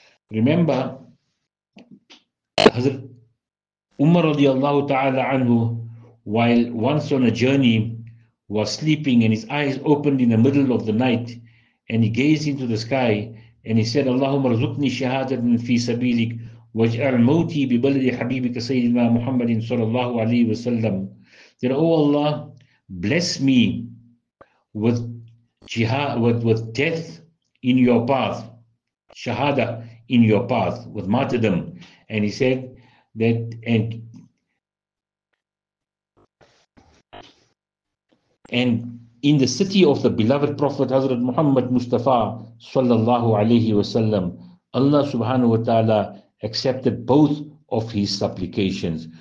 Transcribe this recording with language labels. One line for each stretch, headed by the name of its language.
English: Remember, Hazrat Umar radiallahu ta'ala anhu, while once on a journey, was sleeping and his eyes opened in the middle of the night, and he gazed into the sky and he said,
Arabic: Allahumma razuqni shahadatan fi sabilik, واجعل موتي ببلد حبيبك سيدنا محمد صلى الله عليه وسلم.
English: Then, oh Allah, bless me with jihad, with death in your path, shahada in your path, with martyrdom. And he said that, and in the city of the beloved Prophet Hazrat Muhammad Mustafa sallallahu alayhi wasallam, Allah subhanahu wa ta'ala accepted both of his supplications.